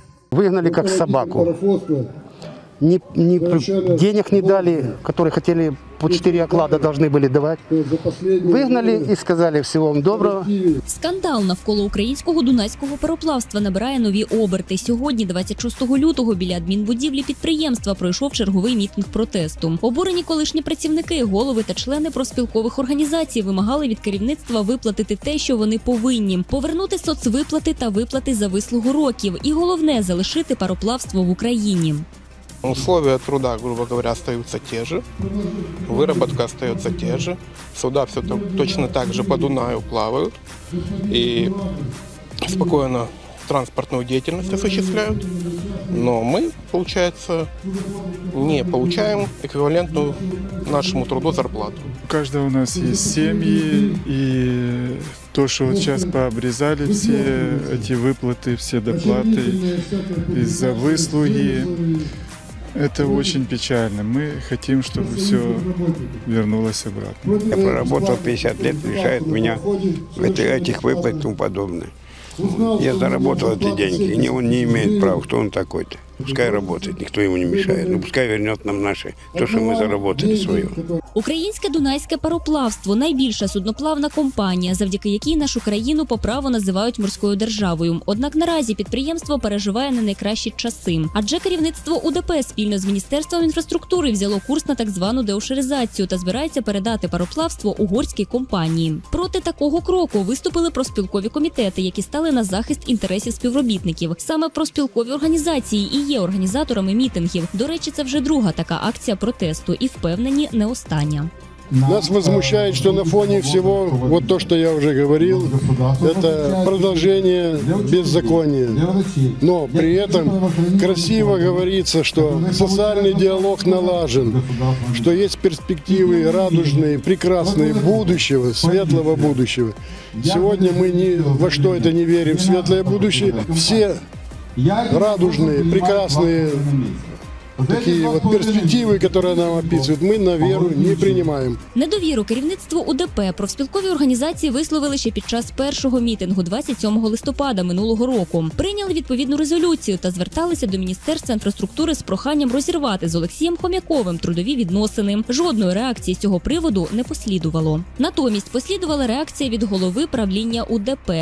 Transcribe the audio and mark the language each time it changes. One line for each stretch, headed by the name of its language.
Russian: Выгнали как собаку, ни денег не дали, которые хотели по 4 оклада должны были давать. Выгнали и сказали всего вам доброго.
Ukrainian: Скандал навколо українського дунайського пароплавства набирає нові оберти. Сьогодні, 26 лютого, біля адмінбудівлі підприємства пройшов черговий мітинг протесту. Обурені колишні працівники, голови та члени профспілкових організацій вимагали від керівництва виплатити те, що вони повинні. Повернути соцвиплати та виплати за вислугу років. І головне – залишити пароплавство в Україні.
Russian: Условия труда, грубо говоря, остаются те же, выработка остается те же, суда все там точно так же по Дунаю плавают и спокойно транспортную деятельность осуществляют, но мы, получается, не получаем эквивалентную нашему труду зарплату. У каждого у нас есть семьи, и то, что вот сейчас пообрезали все эти выплаты, все доплаты из-за выслуги, Это очень печально. Мы хотим, чтобы все вернулось обратно. Я проработал 50 лет, лишает меня этих выплат и тому подобное. Я заработал эти деньги, и он не имеет права, кто он такой-то. Пускай работает, никто ему не мешает. Ну, пускай вернет нам наше, то,
Ukrainian: що ми заработали своє. Українське Дунайське пароплавство – найбільша судноплавна компанія, завдяки якій нашу країну по праву називають морською державою. Однак наразі підприємство переживає не найкращі часи. Адже керівництво УДП спільно з Міністерством інфраструктури взяло курс на так звану деошеризацію та збирається передати пароплавство угорській компанії. Проти такого кроку виступили профспілкові комітети, які стали на захист інтересів співробітників. Саме профспілкові організації і є організаторами мітингів. До речі, це вже друга така акція протесту, і впевнені, не остання.
Russian: Нас возмущает, что на фоне всего, вот то, что я уже говорил, это продолжение беззакония. Но при этом красиво говорится, что социальный диалог налажен, что есть перспективы радужные, прекрасные, будущего, светлого будущего. Сегодня мы ни во что это не верим, светлое будущее. Все радужные, прекрасные такие вот перспективы, которые нам описывают, мы на веру не принимаем.
Ukrainian: Недовіру керівництву УДП профспілкові організації висловили ще під час першого мітингу 27 листопада минулого року. Прийняли відповідну резолюцію та зверталися до Міністерства інфраструктури з проханням розірвати з Олексієм Хом'яковим трудові відносини. Жодної реакції з цього приводу не послідувало. Натомість послідувала реакція від голови правління УДП.